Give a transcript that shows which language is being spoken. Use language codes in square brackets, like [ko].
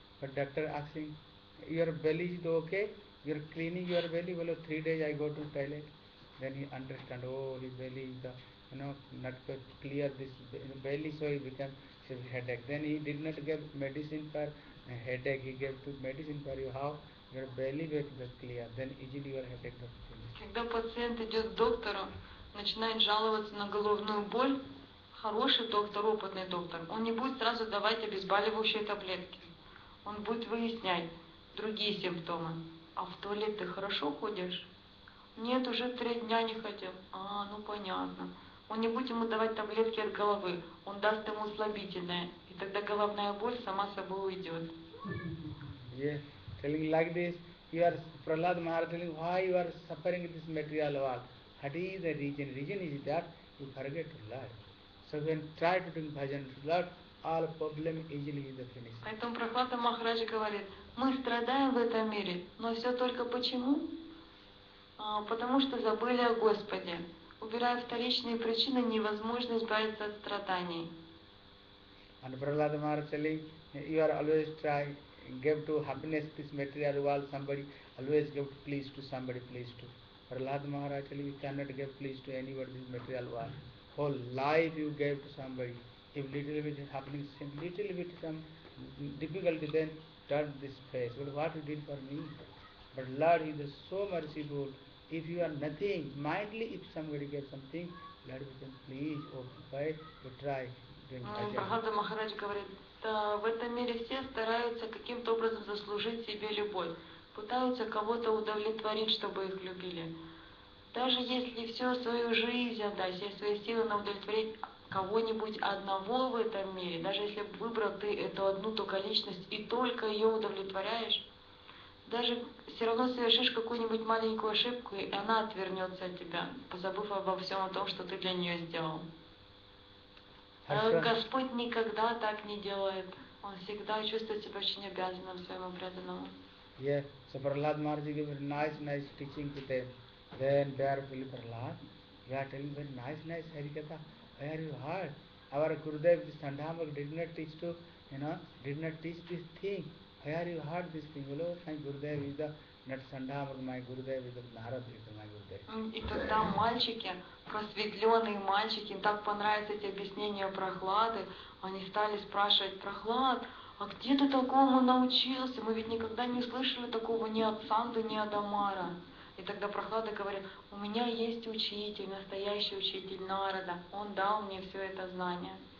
[en] But doctor asking, your belly is okay? You're cleaning your belly? Well, 3 days I go to toilet. Then he understand, oh, his belly is the, you know, not clear this belly, so he becomes his headache. Then he did not give medicine for headache. He gave to medicine for you. How? Your belly becomes clear. Then easily your headache becomes clear. [ru] Когда пациент идет к доктору, начинает жаловаться на головную боль, хороший доктор, опытный доктор, он не будет сразу давать обезболивающие таблетки. Он будет выяснять другие симптомы. А в туалет ты хорошо ходишь? Нет, уже 3 дня не ходил. А, ну понятно. Он не будет ему давать таблетки от головы, он даст ему слабительное. И тогда головная боль сама собой уйдет. [en] Yeah. Telling like this, you are Prahlad Maharaj telling why you are suffering this material world. What is the reason? Reason is that you forget to learn. So when try to do bhajan to learn, all problem easily is the finish. [ru] Поэтому Прахлада Махараджа говорит, мы страдаем в этом мире, но все только почему? Потому что забыли о Господе. Убирая вторичные причины, невозможно избавиться от страданий. [en] And Prahlada Maharaj telling, you are always trying. Give to happiness this material world, somebody always give please to somebody, please to. Prahlad Maharaj telling you cannot give please to anybody this material world. Whole life you gave to somebody. If little bit happening, little bit some difficulty, then turn this face. Well, what you did for me? But Lord is so merciful. If you are nothing, mindly if somebody gets something, Lord will say, please, occupy, you try. [ru] Прахлада Махарадж говорит, да, в этом мире все стараются каким-то образом заслужить себе любовь, пытаются кого-то удовлетворить, чтобы их любили. Даже если всю свою жизнь отдать, все свои силы на удовлетворить кого-нибудь одного в этом мире, даже если выбрал ты эту одну только личность и только ее удовлетворяешь, даже все равно совершишь какую-нибудь маленькую ошибку, и она отвернется от тебя, позабыв обо всем о том, что ты для нее сделал. Господь никогда так не делает. Он всегда чувствует себя очень обязанным своему преданному. [en] Yeah, so Prahlad Maharaj gave nice teaching to them. Then there will be Prahlad. You are telling them nice Harikatha. Where you heard? Our Gurudev Sandhamak did not teach to, you know, did not teach this thing. Where you heard this thing? Well, my Gurudev is the, not Sandhamak, my Gurudev is the Narad, is the, my Gurudev. [ru] И тогда мальчики, просветленные мальчики, им так понравились эти объяснения Прохлады, они стали спрашивать, Прохлад, а где ты такому научился? Мы ведь никогда не слышали такого ни от Санды, ни от Амара. И тогда Прохлада говорит, у меня есть учитель, настоящий учитель Нарада, он дал мне все это знание.